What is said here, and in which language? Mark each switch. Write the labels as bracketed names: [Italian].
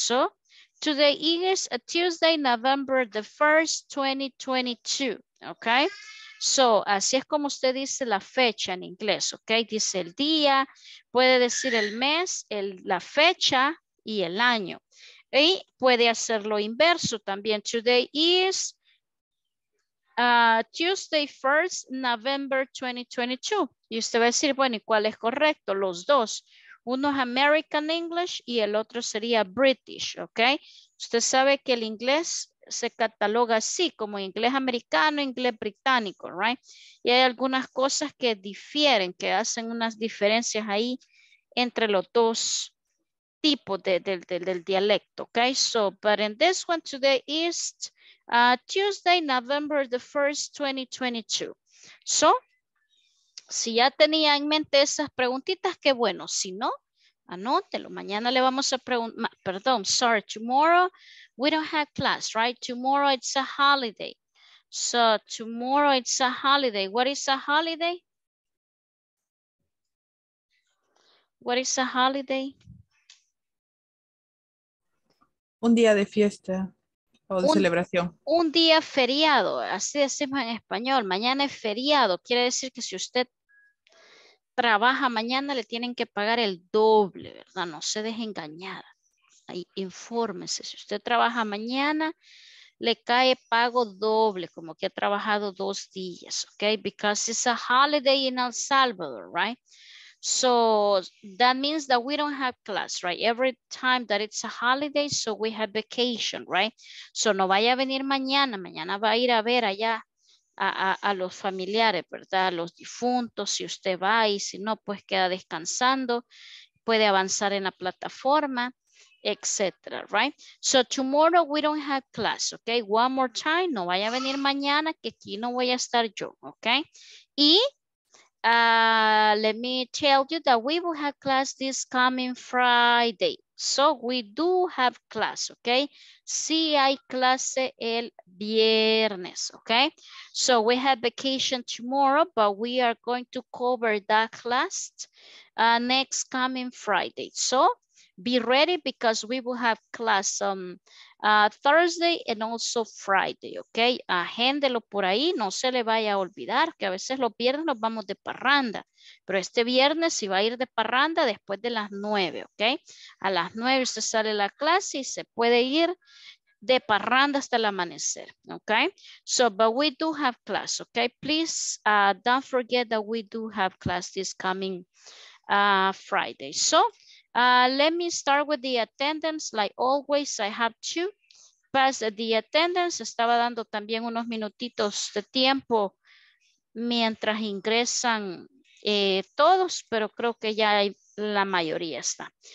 [English] So, today is a Tuesday, November the 1st, 2022, ¿ok? [Spanish] So, así es como usted dice la fecha en inglés, ¿ok? Dice el día, puede decir el mes, la fecha y el año. Y puede hacerlo inverso también. [English] Today is Tuesday 1st, November 2022. [Spanish] Y usted va a decir, bueno, ¿y cuál es correcto? Los dos. Uno es American English y el otro sería British, ¿ok? Usted sabe que el inglés se cataloga así, como inglés americano, inglés británico, ¿right? Y hay algunas cosas que difieren, que hacen unas diferencias ahí entre los dos tipos del dialecto, ¿ok? [English] So, but in this one, today is Tuesday, November the 1st, 2022. [Spanish] So, si ya tenía en mente esas preguntitas, qué bueno. Si no, anótelo. Mañana le vamos a preguntar, perdón, [English] sorry, tomorrow we don't have class, right? Tomorrow it's a holiday. So tomorrow it's a holiday. What is a holiday? What is a holiday? [Spanish] Un día de fiesta. o de celebración. Un día feriado, así decimos en español. Mañana es feriado. Quiere decir que si usted trabaja mañana, le tienen que pagar el doble, ¿verdad? No se deje engañar. Ahí, infórmese. Si usted trabaja mañana, le cae pago doble, como que ha trabajado dos días, ¿ok? [English] Because it's a holiday in El Salvador, right? So that means that we don't have class, right? Every time that it's a holiday, so we have vacation, right? [Spanish] So no vaya a venir mañana, mañana va a ir a ver allá a los familiares, ¿verdad? A los difuntos, si usted va, y si no, pues queda descansando, puede avanzar en la plataforma, etcétera, right? [English] So tomorrow we don't have class, okay? One more time, [Spanish] no vaya a venir mañana, que aquí no voy a estar yo, okay? [English] Y let me tell you that we will have class this coming Friday. So we do have class, okay? [Spanish] Sí hay clase el viernes, [English] okay? So we have vacation tomorrow, but we are going to cover that class next coming Friday. So be ready because we will have class Thursday and also Friday, ¿ok? [Spanish] Agéndelo por ahí, no se le vaya a olvidar que a veces los viernes nos vamos de parranda, pero este viernes sí va a ir de parranda después de las 9, ¿ok? A las 9 se sale la clase y se puede ir de parranda hasta el amanecer, ¿ok? [English] So, but we do have class, ¿ok? Please don't forget that we do have class this coming Friday. So, let me start with the attendance. Like always, I have to pass the attendance. [Spanish] Estaba dando también unos minutitos de tiempo mientras ingresan todos, pero creo que ya hay, la mayoría está.